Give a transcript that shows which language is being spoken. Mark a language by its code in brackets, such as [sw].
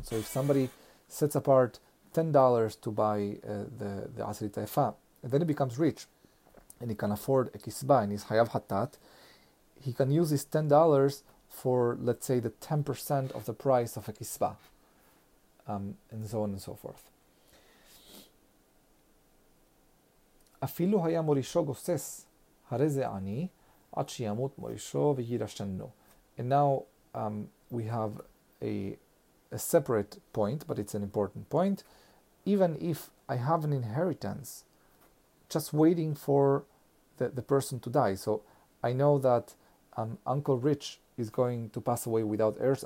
[en] So if somebody sets apart $10 to buy the asri taifa, and then he becomes rich, and he can afford a kisba, and he's hayav hatat, he can use his $10 for, let's say, the 10% of the price of a kisba, and so on and so forth. [he] Afilu haya morisho goses, hare ze ani, עד שימות מורישו וירשנו. [en] And now we have a separate point, but it's an important point. Even if I have an inheritance, just waiting for the person to die. So I know that Uncle Rich is going to pass away without heirs.